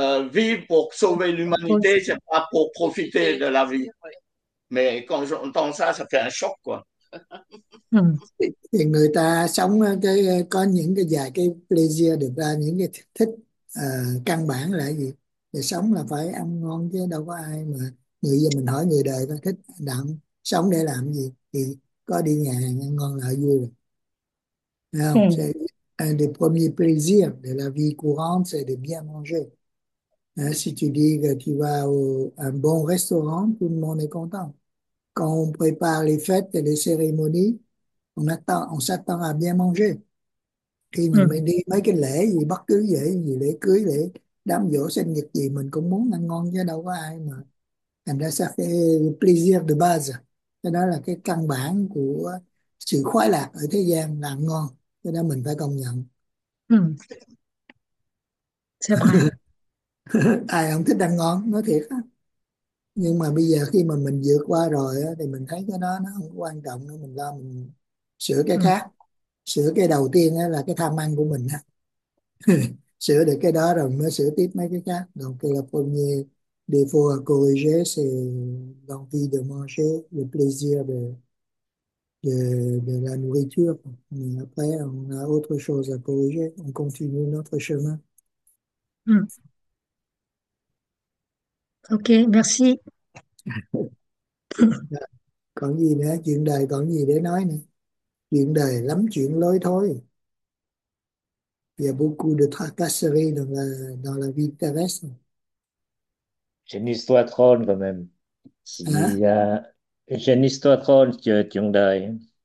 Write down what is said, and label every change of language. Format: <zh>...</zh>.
<fr>Vivre pour sauver l'humanité, c'est pas pour profiter de la vie. Mais quand j'entends ça, ça fait un choc, quoi.</fr> <vi>Thì người ta sống cái có những cái vài cái pleasure được ra những cái thích căn bản là gì? Thì sống là phải ăn ngon chứ đâu có ai mà người giờ mình hỏi người đời có thích đặng sống để làm gì thì có đi nhà hàng ăn ngon là vui rồi. Thấy không?</vi> <fr>C'est un des premiers plaisirs de la vie courante, c'est de bien manger. Si tu dis que tu vas au un bon restaurant, tout le monde est content. Quand on prépare les fêtes et les cérémonies, on s'attend à bien manger.</fr> <vi>Khi mình mới đi mấy cái lễ gì, bất cứ lễ gì, lễ cưới, lễ đám giỗ, sinh nhật gì, mình cũng muốn ăn ngon chứ đâu có ai mà. Thành ra</vi> <fr>ça fait plaisir de base.</fr> <vi>Cái đó là cái căn bản của sự khoái lạc ở thế gian là ăn ngon. Cái đó mình phải công nhận.</vi> <fr>C'est</fr> <vi>Ai</vi> <fr>vrai.</fr> <vi>không thích ăn ngon, nói thiệt á. Nhưng mà bây giờ khi mà mình vượt qua rồi á, thì mình thấy cái đó nó không quan trọng nữa, mình lo mình sửa cái khác. Sửa cái đầu tiên á, là cái tham ăn của mình á. Sửa được cái đó rồi mới sửa tiếp mấy cái khác.</vi> <fr>Donc</fr> <vi>cái là phần như</vi> <fr>des fois à corriger c'est l'envie de manger, le plaisir de la nourriture. Mais après on a autre chose à corriger, on continue notre chemin. Ok, merci.</fr> <vi>Còn gì nữa, chuyện đời còn gì để nói nữa, chuyện đời lắm chuyện lối thôi.</vi> <fr>Il y a beaucoup de tracasserie dans la vie terrestre. J'ai une histoire drôle quand même. Hein? J'ai une histoire drôle sur Trung Đại.</fr>